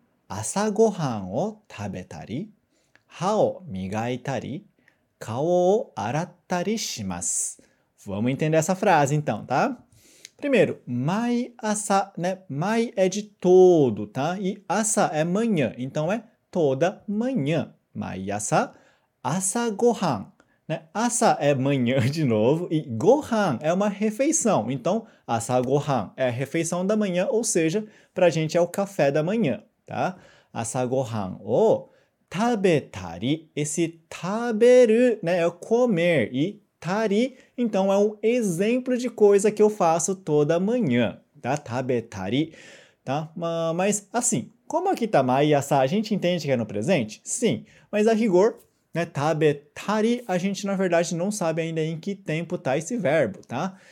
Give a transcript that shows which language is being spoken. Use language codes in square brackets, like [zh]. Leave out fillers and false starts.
[ja] 朝ごはんを食べたり、歯を磨いたり、顔を洗ったりします。 [pt] Vamos entender essa frase então, tá? Primeiro, 毎朝, né? 毎 é de todo, tá? E 朝 é manhã, então é toda manhã. [ja] 毎朝, 朝ごはん, né? [pt] 朝 é manhã de novo e ごはん é uma refeição. Então, 朝ごはん é a refeição da manhã, ou seja, pra gente é o café da manhã, tá? [ja] 朝ごはんを食べたり, esse 食べる, né? [pt] É comer e tari, então é um exemplo de coisa que eu faço toda manhã, tá? Tabetari, tá? Mas assim, como aqui tá mai asa, a gente entende que é no presente? Sim, mas a rigor, né? Tabetari, a gente na verdade não sabe ainda em que tempo tá esse verbo, tá?